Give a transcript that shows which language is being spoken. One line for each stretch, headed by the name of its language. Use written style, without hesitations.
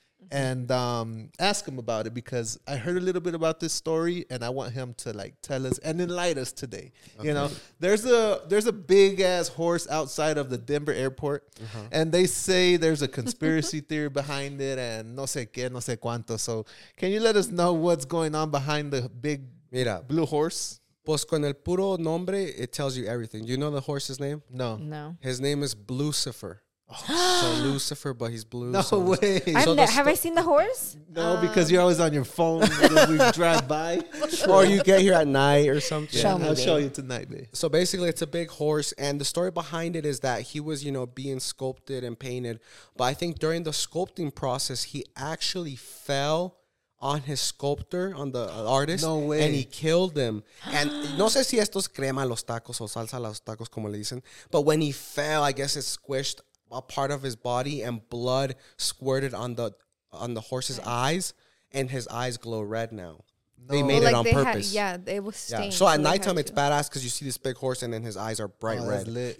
English: and ask him about it, because I heard a little bit about this story and I want him to like tell us and enlighten us today. Okay. You know, there's a big ass horse outside of the Denver airport, and they say there's a conspiracy theory behind it and
Spanish: no sé qué, no sé cuánto.
English: So can you let us know what's going on behind the big
Spanish: Mira.
English: Blue horse?
Spanish: Pues con el puro nombre,
English: it tells you everything. You know the horse's name? No. No. His name is Blucifer. So Lucifer, but he's blue. No so way. Have I seen the horse? No, because you're always on your phone when we drive by. Or you get here at night or something. Yeah, I'll show you tonight, babe. So basically, it's a big horse. And the story behind it is that he was, you know, being sculpted and painted. But I think during the sculpting process, he actually fell on his sculptor, on the artist. No way. And he killed him.
Spanish: And no sé si esto es crema a los tacos o salsa a los tacos, como le dicen.
English: But when he fell, I guess it squished a part of his body and blood squirted on the horse's eyes. And his eyes glow red now. No. They made it on purpose. It was stained. So at nighttime, it's badass because you see this big horse and then his eyes are bright red. Lit.